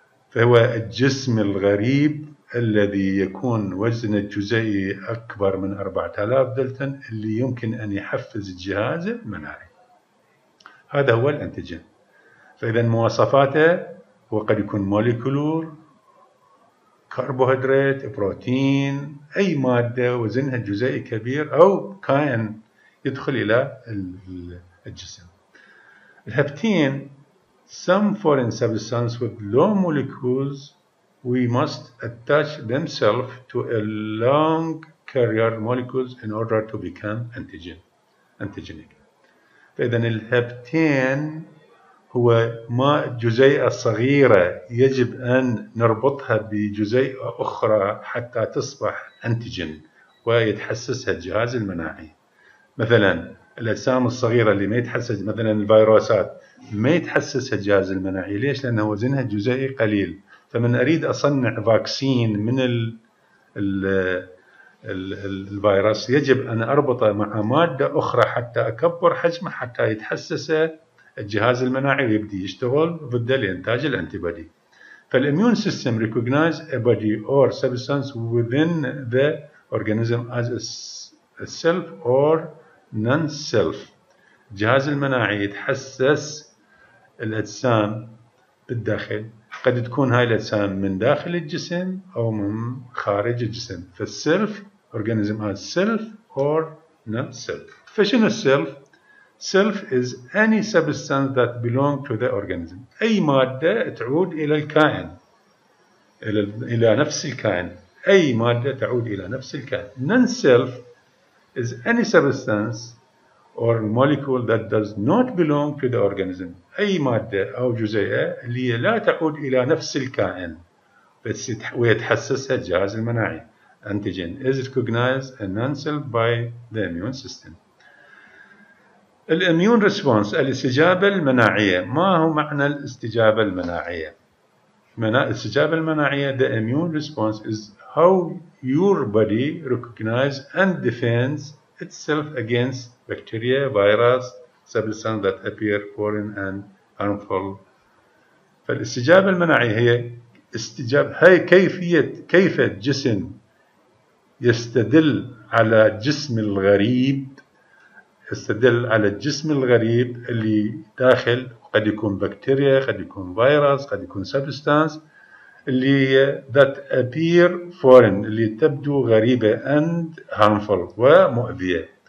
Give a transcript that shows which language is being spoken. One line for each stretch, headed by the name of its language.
Arabic: فهو الجسم الغريب الذي يكون وزن الجزيئي أكبر من 4000 دلتن اللي يمكن أن يحفز الجهاز المناعي، هذا هو الأنتيجين. فإذا مواصفاته هو قد يكون مولكيولر كربوهيدرات، بروتين، أي مادة وزنها جزيئي كبير أو كائن يدخل إلى الجسم.
English: الهبتين some foreign substance with low molecules we must attach themselves to a long carrier molecules in order to become antigen, antigenic.
Arabic: فإذا الهبتين هو ما جزيئة صغيرة يجب أن نربطها بجزيئة أخرى حتى تصبح أنتيجين ويتحسسها الجهاز المناعي. مثلا الأجسام الصغيرة اللي ما يتحسس، مثلا الفيروسات ما يتحسسها الجهاز المناعي. ليش؟ لأنه وزنها جزيئي قليل. فمن أريد أصنع فاكسين من الفيروس يجب أن أربطه مع مادة أخرى حتى أكبر حجمه حتى يتحسسه الجهاز المناعي ويبدي يشتغل ضد الانتاج الانتيبادي.
English: فالاميون system recognize a body or substance within the organism as self or non self.
Arabic: الجهاز المناعي يتحسس الاجسام بالداخل، قد تكون هاي الاجسام من داخل الجسم او من خارج الجسم.
English: فالسيلف organism is self or non self.
Arabic: فشنو السيلف؟
English: Self is any substance that belongs to the organism.
Arabic: أي مادة تعود إلى الكائن، إلى نفس الكائن. أي مادة تعود إلى نفس الكائن.
English: Non-self is any substance or molecule that does not belong to the organism.
Arabic: أي مادة أو جزيئة اللي لا تعود إلى نفس الكائن بس ويتحسسها الجهاز المناعي.
English: Antigen is recognized as non-self by the immune system.
Arabic: الاميون ريسبونس الاستجابه المناعيه. ما هو معنى الاستجابه المناعيه؟
English: معنى الاستجابه المناعيه the immune response is how your body recognize and defends itself against bacteria, virus, substance that appear foreign and harmful.
Arabic: فالاستجابه المناعيه هي استجابه، هي كيف الجسم يستدل على جسم الغريب، يستدل على الجسم الغريب اللي داخل، قد يكون بكتيريا، قد يكون فيروس، قد يكون سبستانس اللي
English: that appear foreign
Arabic: اللي تبدو غريبة
English: and harmful
Arabic: ومؤذية.